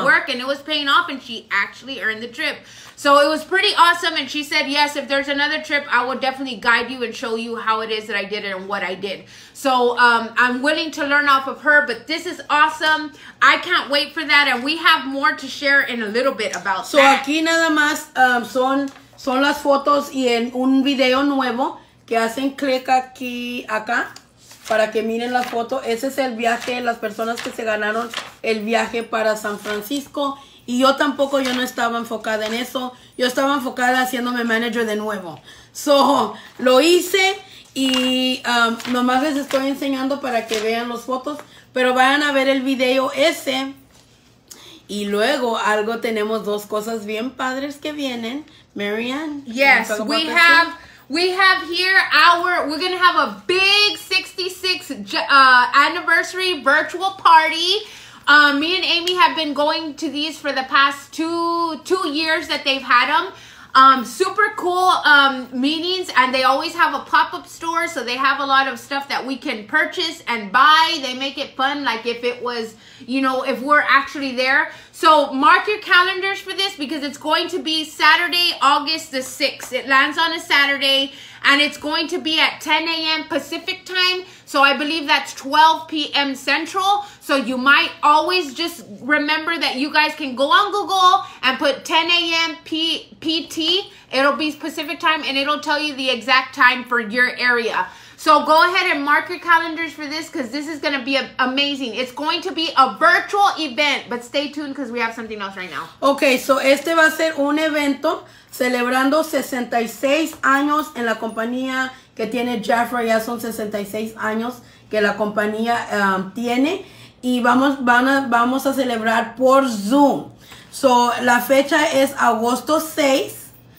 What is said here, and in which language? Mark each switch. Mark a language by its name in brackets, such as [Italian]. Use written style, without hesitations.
[English] The work, and it was paying off, and she actually earned the trip. So it was pretty awesome, and she said, yes, if there's another trip, I will definitely guide you and show you how it is that I did it and what I did. So I'm willing to learn off of her, but this is awesome. I can't wait for that, and we have more to share in a little bit about so that. [Spanish] So aquí nada más son las fotos y en un video nuevo que hacen click aquí, acá, para que miren la foto. Ese es el viaje, las personas que se ganaron el viaje para San Francisco. Y yo tampoco, yo no estaba enfocada en eso. Yo estaba enfocada haciéndome manager de nuevo. So, lo hice y nomás les estoy enseñando para que vean las fotos. Pero vayan a ver el video ese. Y luego, algo tenemos dos cosas bien padres que vienen. Marianne. [English] Yes, we have here our, we're going to have a big 66 anniversary virtual party. Me and Amy have been going to these for the past two years that they've had them. Super cool meetings, and they always have a pop-up store, so they have a lot of stuff that we can purchase and buy. They make it fun, like if it was, you know, if we're actually there. So mark your calendars for this, because it's going to be Saturday, August the 6th. It lands on a Saturday, and it's going to be at 10 a.m. Pacific time. So I believe that's 12 p.m. Central. So you might always just remember that you guys can go on Google and put 10 a.m. PT. It'll be Pacific time, and it'll tell you the exact time for your area. So go ahead and mark your calendars for this, because this is going to be amazing. It's going to be a virtual event, but stay tuned because we have something else right now. [Spanish] Okay, so este va a ser un evento celebrando 66 años en la compañía que tiene Jafra. Ya son 66 años que la compañía tiene. Y vamos a celebrar por Zoom. So, la fecha es agosto 6.